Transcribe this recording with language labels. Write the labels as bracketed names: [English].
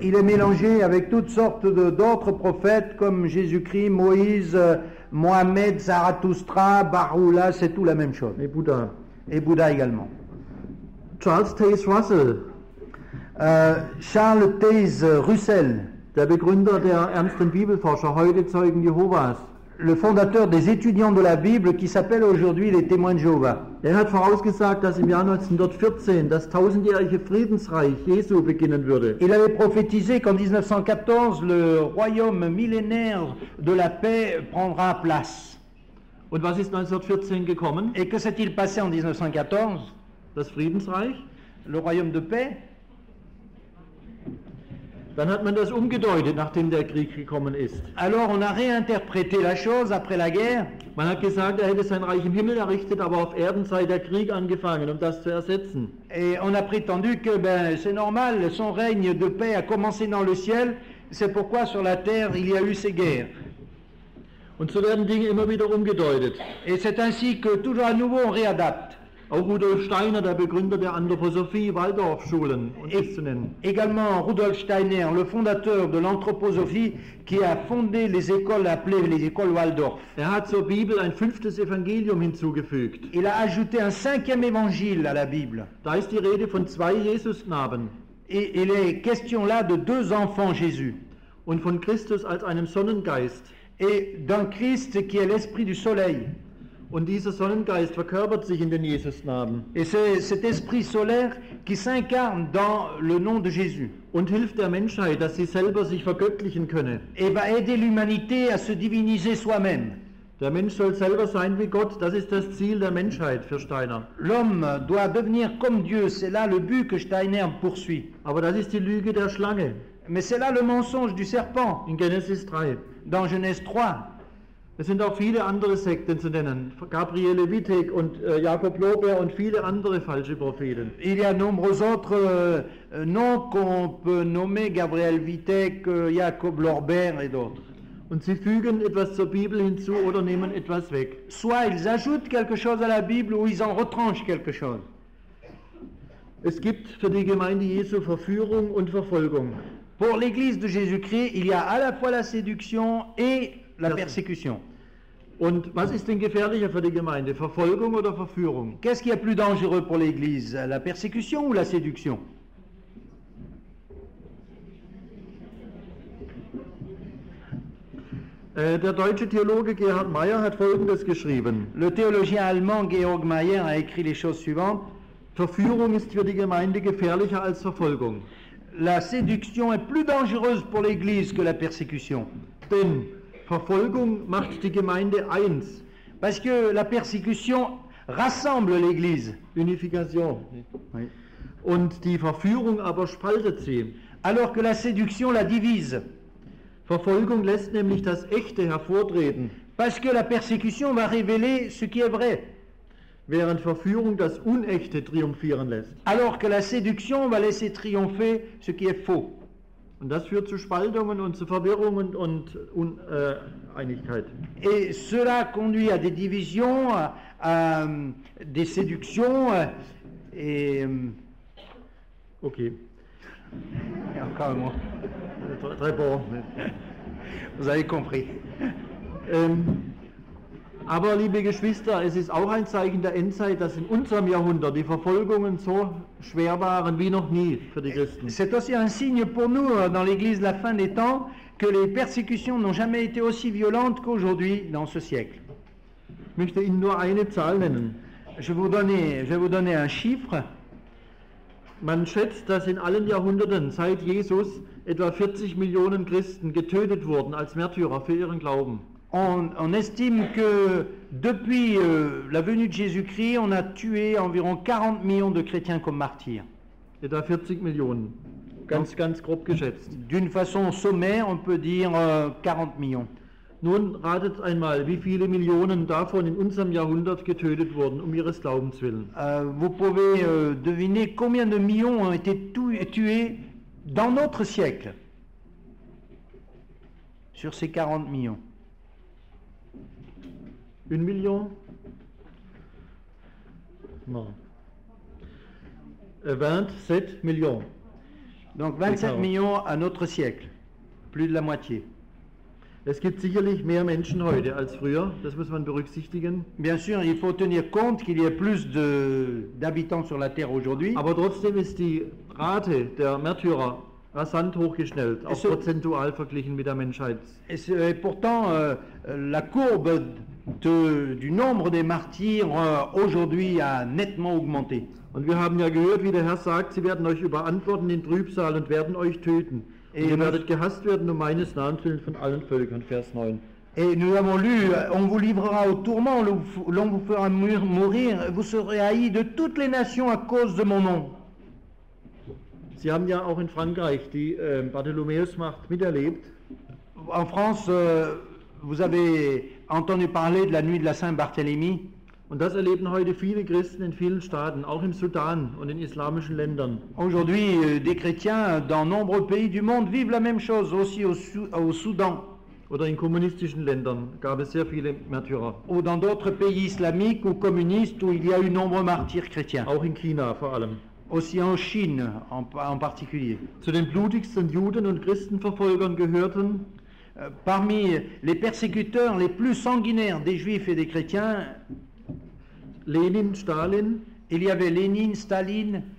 [French] Il est mélangé avec toutes sortes d'autres prophètes comme Jésus-Christ, Moïse, Mohammed, Zarathustra, Baha'u'llah, c'est tout la même chose. Et Buddha. Et Buddha également. [German] Charles Taze Russell. [French] Charles Taze Russell. [German] Der Begründer der ernsten Bibelforscher, heute Zeugen Jehovas. [French] Le fondateur des étudiants de la Bible qui s'appelle aujourd'hui les témoins de Jéhovah. [German] Er hat vorausgesagt, dass im Jahr 1914 das tausendjährige Friedensreich Jesu beginnen würde. [French] Il avait prophétisé qu'en 1914 le royaume millénaire de la paix prendra place. [German] Und was ist 1914 gekommen? [French] Et que s'est-il passé en 1914? [German] Das Friedensreich? [French] Le royaume de paix? [German] Dann hat man das umgedeutet, nachdem der Krieg gekommen ist. [French] Alors on a réinterprété la chose après la guerre. [German] Man hat gesagt, er hätte sein Reich im Himmel errichtet, aber auf Erden sei der Krieg angefangen, um das zu ersetzen. [French] Et on a prétendu que ben c'est normal, son règne de paix a commencé dans le ciel, c'est pourquoi sur la terre il y a eu ces guerres. [German] Und so werden Dinge immer wieder umgedeutet. [French] Et c'est ainsi que toujours à nouveau on réadapte. [German] Auch Rudolf Steiner, der Begründer der Anthroposophie, Waldorfschulen, um es zu nennen. [French] Également Rudolf Steiner, le fondateur de l'anthroposophie, qui a fondé les écoles appelées les écoles Waldorf. [German] Er hat zur Bibel ein fünftes Evangelium hinzugefügt. [French] Il a ajouté un cinquième évangile à la Bible. [German] Da ist die Rede von zwei Jesusknaben. [French] Et il est question là de deux enfants Jésus. [German] Und von Christus als einem Sonnengeist. [French] Et d'un Christ qui est l'esprit du soleil. [German] Und dieser Sonnengeist verkörpert sich in den Jesusnamen. [French] Et c'est cet esprit solaire qui s'incarne dans le nom de Jésus. [German] Und hilft der Menschheit, dass sie selber sich vergöttlichen könne. [French] Et va aider l'humanité à se diviniser soi-même. [German] Der Mensch soll selber sein wie Gott, das ist das Ziel der Menschheit für Steiner. [French] L'homme doit devenir comme Dieu, c'est là le but que Steiner poursuit. [German] Aber das ist die Lüge der Schlange. [French] Mais c'est là le mensonge du serpent. [German] In Genesis 3. [French] Dans Genèse 3. [German] Es sind auch viele andere Sekten zu nennen, Gabriele Wittig und Jakob Lobeer und viele andere falsche Propheten. [French] Il y a nombreux autres noms qu'on peut nommer, Gabriel Wittig, Jakob Lobeer et d'autres. [German] Und sie fügen etwas zur Bibel hinzu oder nehmen etwas weg. [French] Soit ils ajoutent quelque chose à la Bible ou ils en retranchent quelque chose. [German] Es gibt für die Gemeinde Jesu Verführung und Verfolgung. [French] Pour l'Église de Jésus-Christ, il y a à la fois la séduction et la persécution. [German] Und was ist denn gefährlicher für die Gemeinde, Verfolgung oder Verführung? [French] Qu'est-ce qui est plus dangereux pour l'Église, la persécution ou la séduction? [German] Der deutsche Theologe Gerhard Mayer hat Folgendes geschrieben. [French] Le théologien allemand Georg Mayer a écrit les choses suivantes. [German] Verführung ist für die Gemeinde gefährlicher als Verfolgung. [French] La séduction est plus dangereuse pour l'Église que la persécution. [German] Denn Verfolgung macht die Gemeinde eins. [French] Parce que la persécution rassemble l'Église. Unification. Oui. [German] Und die Verführung aber spaltet sie. [French] Alors que la séduction la divise. [German] Verfolgung lässt nämlich das Echte hervortreten. [French] Parce que la persécution va révéler ce qui est vrai. [German] Während Verführung das Unechte triumphieren lässt. [French] Alors que la séduction va laisser triompher ce qui est faux. [German] Und das führt zu Spaltungen und zu Verwirrungen und Uneinigkeit. [French] Et cela conduit à des divisions, à des séductions et... Okay. Ja, encore un mot. Très bon. Vous avez compris. [German] Aber, liebe Geschwister, es ist auch ein Zeichen der Endzeit, dass in unserem Jahrhundert die Verfolgungen so schwer waren wie noch nie für die Christen. [French] C'est aussi un signe pour nous dans l'Église de la fin des temps que les persécutions n'ont jamais été aussi violentes qu'aujourd'hui dans ce siècle. [German] Ich möchte Ihnen nur eine Zahl nennen. [French] Je vais vous donner un chiffre. [German] Man schätzt, dass in allen Jahrhunderten seit Jesus etwa 40 Millionen Christen getötet wurden als Märtyrer für ihren Glauben. [French] On estime que depuis la venue de Jésus-Christ, on a tué environ 40 millions de chrétiens comme martyrs. [German] Etwa 40 millionen. Ganz, ganz grob geschätzt. [French] D'une façon sommaire, on peut dire 40 millions. [German] Nun ratet einmal, wie viele Millionen davon in unserem Jahrhundert getötet wurden, um ihres Glaubens willen. [French] Vous pouvez deviner combien de millions ont été tués dans notre siècle. Sur ces 40 millions. Une million? Non. 27 millions. Donc 27 millions à notre siècle. Plus de la moitié. [German] Es gibt sicherlich mehr Menschen heute als früher, das muss man berücksichtigen. [French] Bien sûr, il faut tenir compte qu'il y a plus d'habitants sur la Terre aujourd'hui. [German] Aber trotzdem ist die Rate der Märtyrer rasant hochgeschnellt, auch prozentual verglichen mit der Menschheit. [French] Et pourtant, la courbe du nombre des martyrs aujourd'hui a nettement augmenté. [German] Und wir haben ja gehört, wie der Herr sagt, sie werden euch überantworten in Trübsal und werden euch töten. Et ihr werdet gehasst werden um meines Namens willen von allen Völkern, Vers 9. [French] Et nous avons lu, on vous livrera au tourment, l'on vous fera mourir, vous serez haï de toutes les nations à cause de mon nom. [German] Sie haben ja auch in Frankreich die Bartholomäusmacht miterlebt. [French] En France, vous avez entendu parler de la nuit de la Saint-Barthélemy. [German] Und das erleben heute viele Christen in vielen Staaten, auch im Sudan und in islamischen Ländern. [French] Aujourd'hui, des chrétiens dans nombreux pays du monde vivent la même chose aussi au Soudan. [German] Oder in kommunistischen Ländern gab es sehr viele Märtyrer. [French] Ou dans d'autres pays islamiques ou communistes où il y a eu nombreux martyrs chrétiens. [German] Auch in China vor allem. [French] Aussi en Chine en particulier. [German] Zu den blutigsten Juden und Christenverfolgern gehörten [French] parmi les persécuteurs les plus sanguinaires des Juifs et des chrétiens [German] Lenin, Stalin, [French] il y avait Lenin, Staline,